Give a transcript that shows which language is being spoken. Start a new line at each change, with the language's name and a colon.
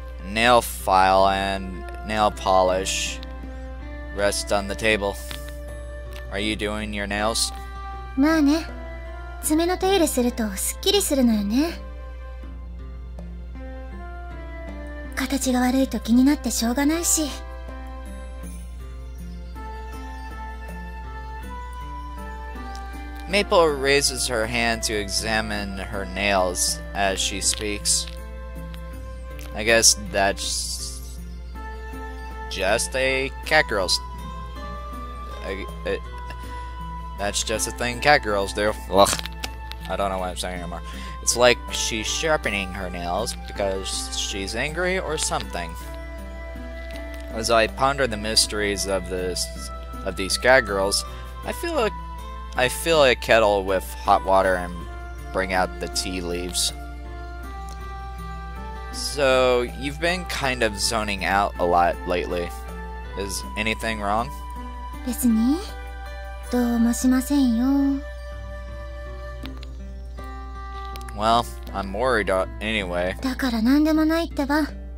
English: Nail file and nail polish rest on the table. Are you doing your nails?
Japanese: まあね。爪の手入れするとすっきりするのよね。形が悪いと気になってしょうがないし。
English: Maple raises her hand to examine her nails as she speaks. I guess that's just a catgirl's. That's just a thing catgirls do. Ugh. I don't know what I'm saying anymore. It's like she's sharpening her nails because she's angry or something. As I ponder the mysteries of these catgirls, I fill a kettle with hot water and bring out the tea leaves. So, you've been kind of zoning out a lot lately. Is anything wrong?
Japanese: 別に、どうもしませんよ。
English: Well, I'm worried anyway.
Japanese: だから何でもないってば。